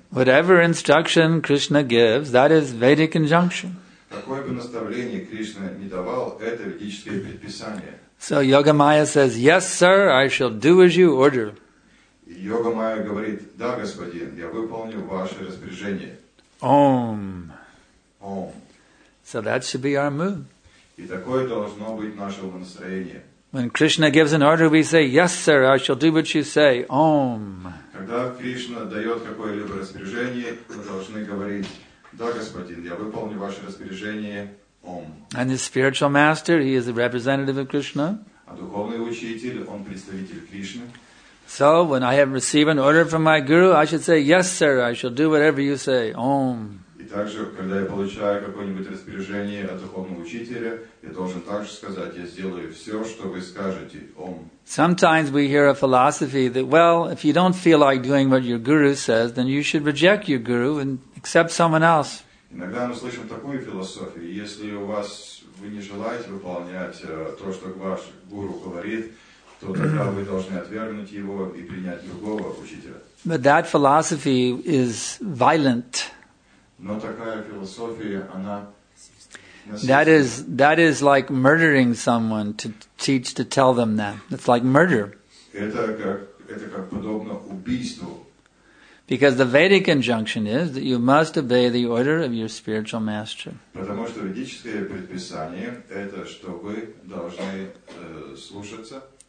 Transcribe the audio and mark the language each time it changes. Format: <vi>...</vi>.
<en>Whatever instruction Krishna gives, that is Vedic injunction.</en> <ru>Какое бы наставление Кришна ни давал, это ведическое предписание.</ru> <en>So Йогамайя says, yes, sir, I shall do as you order.</en> <ru>И Йогамайя говорит, да, господин, я выполню ваше распоряжение.</ru> <sa>Om. Om.</sa> <en>So that should be our mood.</en> <ru>И такое должно быть наше настроение.</ru> <en>When Krishna gives an order, we say, yes, sir, I shall do what you say.</en> <sa>Om.</sa> <ru>Когда Кришна дает какое-либо распоряжение, мы должны говорить, да, господин, я выполню ваше распоряжение.</ru> <sa>Om.</sa> <en>And the spiritual master, he is the representative of Krishna.</en> <ru>А духовный учитель, он представитель Кришны.</ru> <en>So, when I have received an order from my guru, I should say, yes, sir, I shall do whatever you say.</en> <sa>Om.</sa> <ru>И также, когда я получаю какое-нибудь распоряжение от духовного учителя, я должен также сказать, я сделаю все, что вы скажете.</ru> <sa>Om.</sa> <en>Sometimes we hear a philosophy that, well, if you don't feel like doing what your guru says, then you should reject your guru and accept someone else.</en> <ru>Иногда мы слышим такую философию, если вы не желаете выполнять то, что ваш гуру говорит, то тогда вы должны отвергнуть его и принять другого учителя.</ru> <en>But that philosophy is violent.</en> <ru>Но такая философия, она...</ru> <en>That is like murdering someone to teach, to tell them that. It's like murder.</en> <ru>Это как подобно убийству.</ru> <en>Because the Vedic injunction is that you must obey the order of your spiritual master.</en> <ru>Потому что ведическое предписание это, что вы должны слушаться</ru>